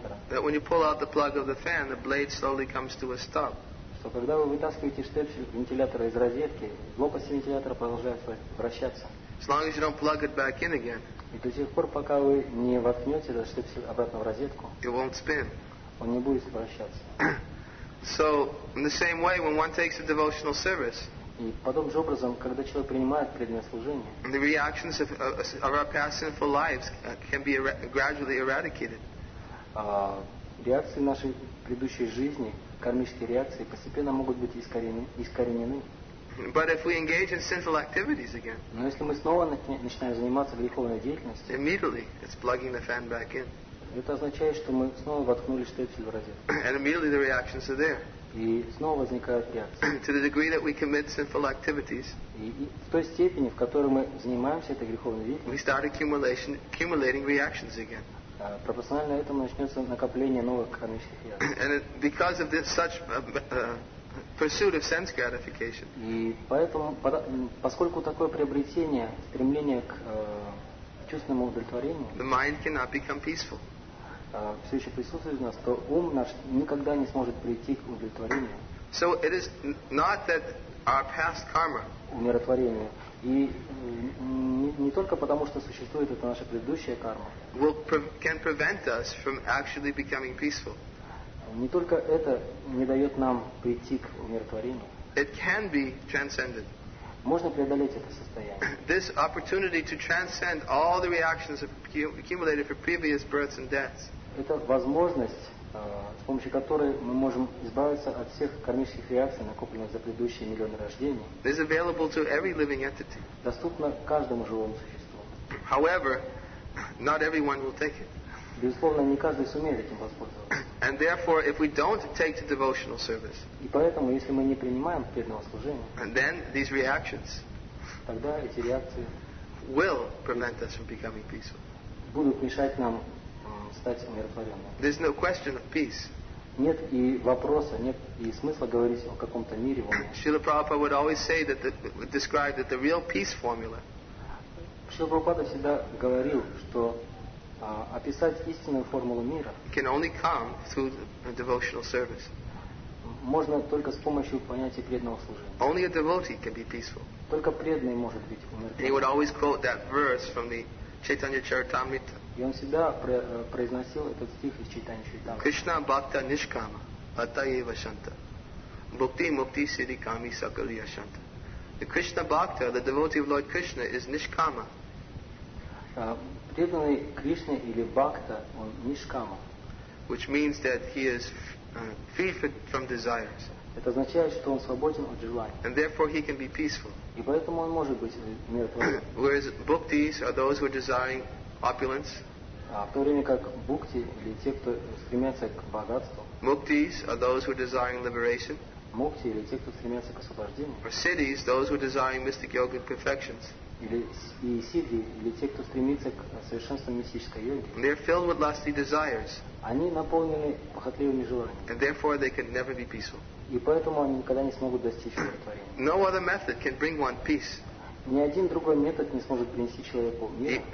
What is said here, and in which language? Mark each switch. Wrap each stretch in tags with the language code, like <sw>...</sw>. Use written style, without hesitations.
<en>That when you pull out the plug of the fan, the blade slowly comes to a stop.</en> <ru>Что когда вы вытаскиваете штепсель вентилятора из розетки, лопасти вентилятора продолжают вращаться.</ru> <en>As long as you don't plug it back in again.</en> <ru>И до тех пор, пока вы не воткнете этот штепсель обратно в розетку,</ru> <en>it won't spin.</en> <ru>Он не будет вращаться.</ru> <en>So in the same way, when one takes a devotional service.</en> <ru>И подобным же образом, когда человек принимает преданное служение.</ru> <en>The reactions of our past sinful lives can be gradually eradicated.</en> <ru>Реакции нашей предыдущей жизни кармические реакции постепенно могут быть искоренены.</ru> <en>But if we engage in sinful activities again,</en> <ru>но если мы снова начинаем заниматься греховной деятельностью,</ru> <en>immediately it's plugging the fan back in.</en> <ru>Это означает, что мы снова воткнули штепсель в розетку.</ru> <en>And immediately the reactions are there.</en> <ru>И снова возникают реакции.</ru> <en>To the degree that we commit sinful activities,</en> <ru>и в той степени, в которой мы занимаемся этой греховной деятельностью,</ru> <en>we start accumulating reactions again.</en> <ru>Пропорционально этому начнется накопление новых кармических реакций.</ru> <en>And because of this such pursuit of sense gratification.</en> <ru>И поэтому, поскольку такое приобретение, стремление к чувственному удовлетворению,</ru> <en>the mind cannot become peaceful.</en> <ru>Все еще присутствует в нас, то ум наш никогда не сможет прийти к удовлетворению.</ru> <en>So it is not that our past karma.</en> <ru>Умиротворение. И не только потому, что существует это наша предыдущая карма.</ru> <en>Can prevent us from actually becoming peaceful.</en> <ru>Не только это не дает нам прийти к умиротворению.</ru> <en>It can be transcended.</en> <ru>Можно преодолеть это состояние.</ru> <en>This opportunity to transcend all the reactions accumulated for previous births and deaths.</en> <ru>Это возможность, с помощью которой мы можем избавиться от всех кармических реакций, накопленных за предыдущие миллионы рождений.</ru> <en>Is available to every living entity.</en> <ru>Доступно каждому живому существу.</ru> <en>However, not everyone will take it.</en> <ru>Безусловно, не каждый сумеет этим воспользоваться.</ru> <en>And therefore, if we don't take to devotional service,</en> <ru>и поэтому, если мы не принимаем преданного служения,</ru> <en>and then these reactions,</en> <ru>тогда эти реакции</ru> <en>will prevent us from becoming peaceful.</en> <ru>Будут мешать нам стать умиротворенными.</ru> <en>There's no question of peace.</en> <ru>Нет и вопроса, нет и смысла говорить о каком-то мире.</ru> <en>Шрила Прабхупада would always say that describe that the real peace formula.</en> <ru>Шрила Прабхупада всегда говорил, что описать истинную формулу мира</ru> <en>can only come through devotional service.</en> <ru>Можно только с помощью понятия преданного служения.</ru> <en>Only a devotee can be peaceful.</en> <ru>Только преданный может быть умиротворен.</ru> <en>He would always quote that verse from the Chaitanya Charitamrita.</en> <ru>И он всегда произносил этот стих из Чайтанья Чаритамриты.</ru> <sa>Кришна бхакта нишкама атаева шанта бхукти мукти сиди ками сакалия шанта.</sa> <en>The Krishna bhakta, the devotee of Lord Krishna, is nishkama.</en> <ru>Преданный Кришне или бхакта, он нишкама.</ru> <en>Which means that he is free from desires.</en> <ru>Это означает, что он свободен от желаний.</ru> <en>And therefore he can be peaceful.</en> <ru>И поэтому он может быть умиротворен.</ru> <en>Whereas bhuktis are those who are desiring opulence.</en> <ru>В то время как бхукти или те, кто стремятся к богатству.</ru> <en>Muktis are those who are desiring liberation.</en> <ru>Мукти или те, кто стремятся к освобождению.</ru> <en>Or siddhis, those who are desiring mystic yogic perfections.</en> <ru>И сиддхи, или те, кто стремится к совершенству мистической йоги.</ru> <en>They are filled with lusty desires.</en> <ru>Они наполнены похотливыми желаниями.</ru> <en>And therefore they can never be peaceful.</en> <ru>И поэтому они никогда не смогут достичь умиротворения.</ru> <en>No other method can bring one peace.</en> <ru>Ни один другой метод не сможет принести человеку мир.</ru>